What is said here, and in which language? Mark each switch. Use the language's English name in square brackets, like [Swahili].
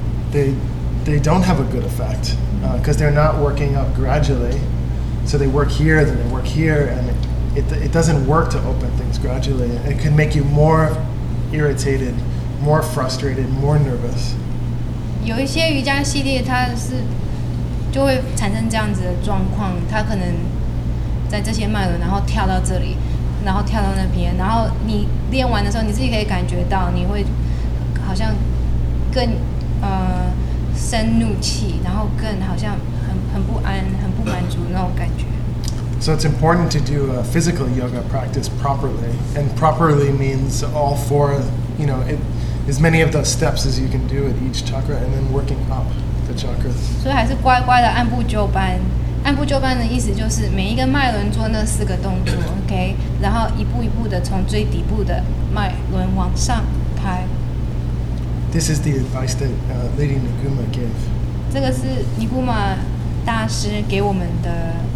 [English] They don't have a good effect because they're not working up gradually. So they work here, then they work here, and it doesn't work to open things gradually. It can make you more irritated, more frustrated, more nervous. [Chinese] 有一些瑜伽系列，它是就会产生这样子的状况。它可能在这些脉轮，然后跳到这里，然后跳到那边，然后你练完的时候，你自己可以感觉到，你会好像更生怒气，然后更好像很不安、很不满足那种感觉。 [English] So it's important to do a physical yoga practice properly, and properly means all four, you know, as many of those steps as you can do at each chakra, and then working up the chakras. [Chinese] 所以还是乖乖的按部就班。按部就班的意思就是每一个脉轮做那四个动作 ，OK， 然后一步一步的从最底部的脉轮往上拍。 [English] This is the advice that Lady Nguma gave. [Chinese] 这个是尼古玛大师给我们的。